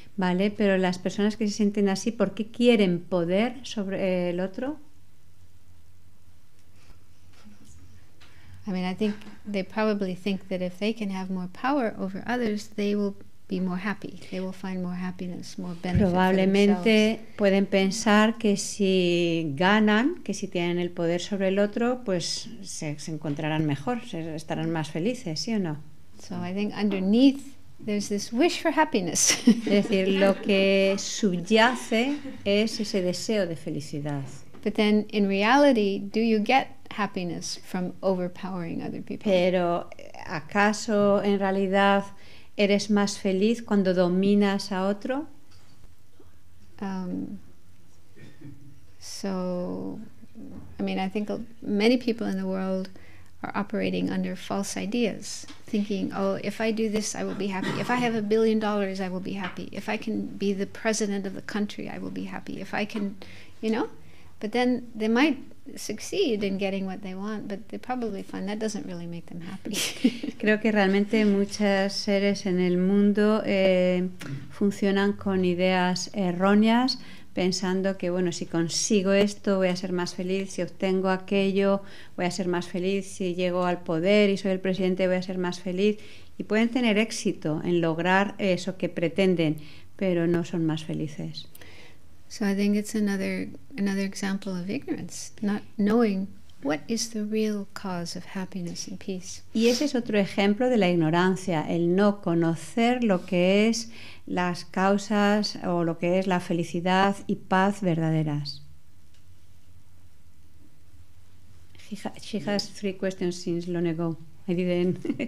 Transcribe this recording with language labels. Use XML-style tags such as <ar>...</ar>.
<es>Vale, pero las personas que se sienten así, ¿por qué quieren poder sobre el otro?</es> <en>I mean, I think they probably think that if they can have more power over others, they will be more happy. They will find more happiness, more benefit.</en> <es>Probablemente pueden pensar que si ganan, que si tienen el poder sobre el otro, pues se encontrarán mejor, estarán más felices, ¿sí o no?</es> <en>So I think underneath there's this wish for happiness.</en> <es>Es decir, lo que subyace es ese deseo de felicidad.</es> <en>But then in reality, do you get happiness from overpowering other people?</en> <es>Pero ¿acaso en realidad eres más feliz cuando dominas a otro?</es> <en>So I mean, I think many people in the world are operating under false ideas, thinking, oh, if I do this, I will be happy. If I have $1 billion, I will be happy. If I can be the president of the country, I will be happy. If I can, you know? But then they might succeed in getting what they want, but they probably find that doesn't really make them happy.</en> <es>Creo que realmente muchos seres en el mundo funcionan con ideas erróneas pensando que, bueno, si consigo esto voy a ser más feliz, si obtengo aquello voy a ser más feliz, si llego al poder y soy el presidente voy a ser más feliz. Y pueden tener éxito en lograr eso que pretenden, pero no son más felices.</es> <en>So I think it's another example of ignorance, not knowing what is the real cause of happiness and peace.</en> <es>Y ese es otro ejemplo de la ignorancia, el no conocer lo que es las causas o lo que es la felicidad y paz verdaderas.</es> <en>She has three questions since long ago. I didn't.</en>